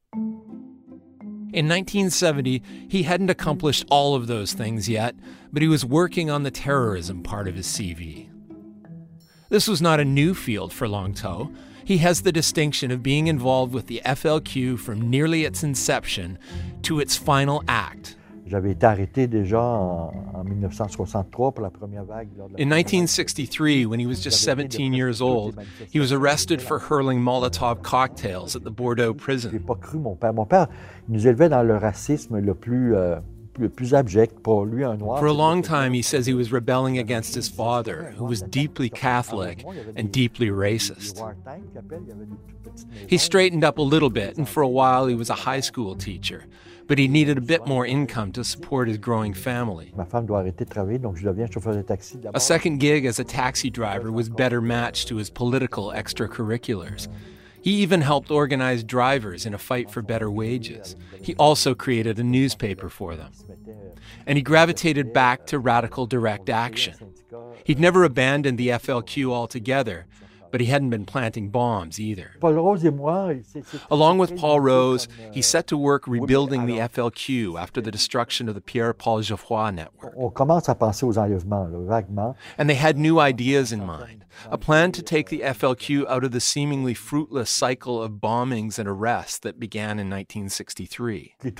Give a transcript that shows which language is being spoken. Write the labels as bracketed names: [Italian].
[English] In 1970, he hadn't accomplished all of those things yet, but he was working on the terrorism part of his CV. This was not a new field for Longteau. He has the distinction of being involved with the FLQ from nearly its inception to its final act. [French] J'avais été arrêté déjà en 1963 pour la première vague. [English] In 1963, when he was just 17 years old, he was arrested for hurling Molotov cocktails at the Bordeaux prison. [French] J'ai pas cru mon père. Mon père nous élevait dans le racisme le plus abject pour lui un noir. [English] For a long time, he says he was rebelling against his father, who was deeply Catholic and deeply racist. He straightened up a little bit, and for a while, he was a high school teacher. But he needed a bit more income to support his growing family. A second gig as a taxi driver was better matched to his political extracurriculars. He even helped organize drivers in a fight for better wages. He also created a newspaper for them. And he gravitated back to radical direct action. He'd never abandoned the FLQ altogether. But he hadn't been planting bombs either. [French] Paul Rose et moi, [English] along with Paul Rose, he set to work rebuilding the FLQ after the destruction of the Pierre-Paul Geoffroy network. [French] On commence à penser aux enlèvements, là, vaguement. [English] And they had new ideas in mind, a plan to take the FLQ out of the seemingly fruitless cycle of bombings and arrests that began in 1963.